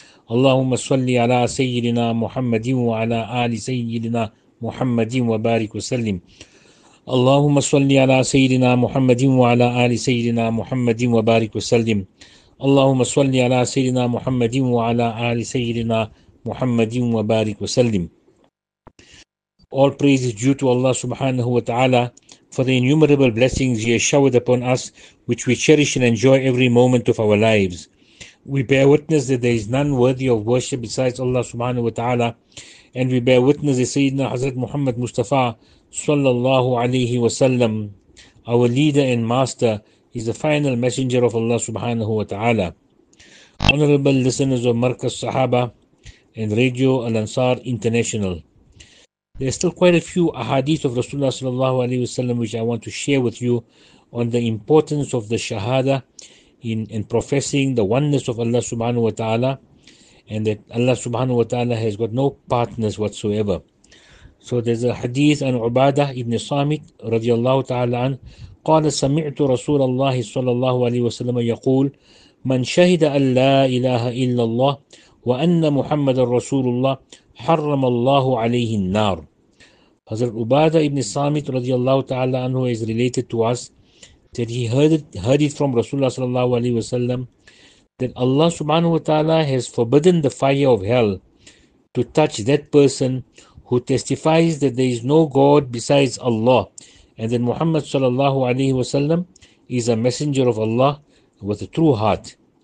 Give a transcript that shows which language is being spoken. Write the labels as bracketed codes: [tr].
[ar] اللهم صل على سيدنا محمد وعلى آل سيدنا محمد وبارك وسلم. اللهم صل على سيدنا محمد وعلى آل سيدنا محمد وبارك وسلم. اللهم صل على سيدنا محمد وعلى آل سيدنا محمد وبارك وسلم. [en] All praise is due to Allah subhanahu wa ta'ala for the innumerable blessings He has showered upon us, which we cherish and enjoy every moment of our lives. We bear witness that there is none worthy of worship besides Allah subhanahu wa ta'ala, and we bear witness that Sayyidina Hazrat Muhammad Mustafa sallallahu alayhi wa sallam, our leader and master, is the final messenger of Allah subhanahu wa ta'ala. Honorable listeners of Markaz Sahaba and Radio Al Ansar International, there are still quite a few ahadith of Rasulullah sallallahu alayhi wasallam which I want to share with you on the importance of the shahada in professing the oneness of Allah subhanahu wa ta'ala, and that Allah subhanahu wa ta'ala has got no partners whatsoever. So there's a hadith on Ubadah ibn Samit radiallahu ta'ala an, [ar] قال سمعت رسول الله صلى الله عليه وسلم يقول من شهد أن لا إله إلا الله وأن محمد رسول الله حرم الله عليه النار. [en] Hazrat Ubadah ibn Samit radiallahu ta'ala anhu is related to us that he heard it from Rasulullah sallallahu alayhi wa sallam that Allah subhanahu wa ta'ala has forbidden the fire of hell to touch that person who testifies that there is no God besides Allah, and that Muhammad sallallahu alayhi wa sallam is a messenger of Allah with a true heart.